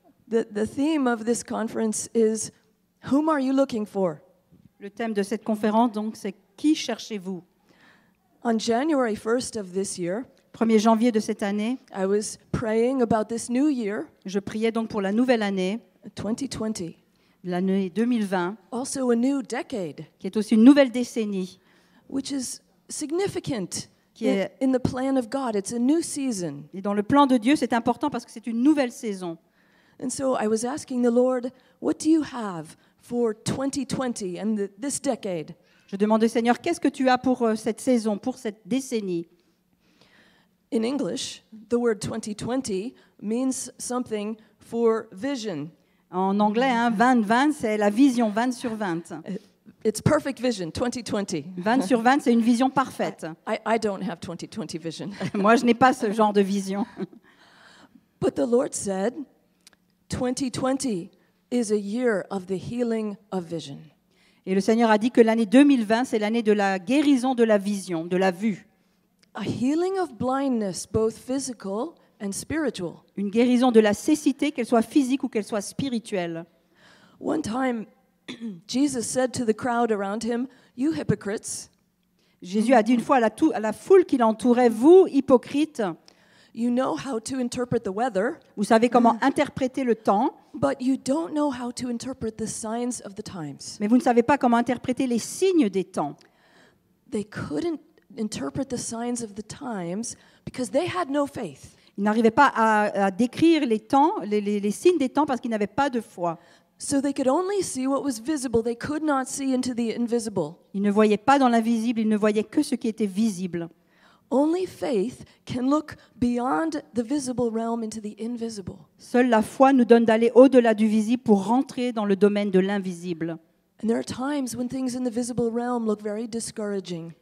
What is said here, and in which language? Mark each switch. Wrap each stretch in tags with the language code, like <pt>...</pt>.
<en>The theme of this conference is whom are you looking for?</en> <fr>Le thème de cette conférence donc c'est qui cherchez-vous?</fr> <en>On January 1st of this year,</en> <fr>1er janvier de cette année,</fr> <en>I was praying about this new year.</en> <fr>Je priais donc pour la nouvelle année.</fr> <en>2020.</en> <fr>L'année 2020.</fr> <en>Also a new decade.</en> <fr>Qui est aussi une nouvelle décennie.</fr> <en>Which is significant.</en> <fr>Qui est</fr> <en>in the plan of God, it's a new season.</en> <fr>Et dans le plan de Dieu, c'est important parce que c'est une nouvelle saison.</fr> <en>And so I was asking the Lord, what do you have for 2020 and this decade?</en> <fr>Je demandais au Seigneur, qu'est-ce que tu as pour cette saison, pour cette décennie?</fr> <en>In English, the word 2020 means something for vision.</en> <fr>En anglais, hein, 2020, c'est la vision 20 sur 20.</fr> <en>It's perfect vision, 2020.</en> <fr>20 sur 20, c'est une vision parfaite.</fr> <en>I don't have 2020 vision.</en> <fr>Moi, je n'ai pas ce genre de vision.</fr> <en>But the Lord said, 2020 is a year of the healing of vision.</en> <fr>Et le Seigneur a dit que l'année 2020, c'est l'année de la guérison de la vision, de la vue.</fr> <en>A healing of blindness, both physical and spiritual.</en> <fr>Une guérison de la cécité, qu'elle soit physique ou qu'elle soit spirituelle.</fr> <en>One time, Jesus said to the crowd around him, "You hypocrites."</en> <fr>Jésus a dit une fois à la foule qui l'entourait, vous hypocrites.</fr> <en>You know how to interpret the weather.</en> <fr>Vous savez comment interpréter le temps.</fr> <en>But you don't know how to interpret the signs of the times.</en> <fr>Mais vous ne savez pas comment interpréter les signes des temps.</fr> <en>They couldn't interpret the signs of the times because they had no faith.</en> <fr>Ils n'arrivaient pas à décrire les temps, les signes des temps parce qu'ils n'avaient pas de foi.</fr> <en>So they could only see what was visible. They could not see into the invisible.</en> <fr>Ils ne voyaient pas dans l'invisible, ils ne voyaient que ce qui était visible.</fr> <en>Only faith can look beyond the visible realm into the invisible.</en> <fr>Seule la foi nous donne d'aller au-delà du visible pour rentrer dans le domaine de l'invisible.</fr> <en>And there are times when things in the visible realm look very discouraging.</en>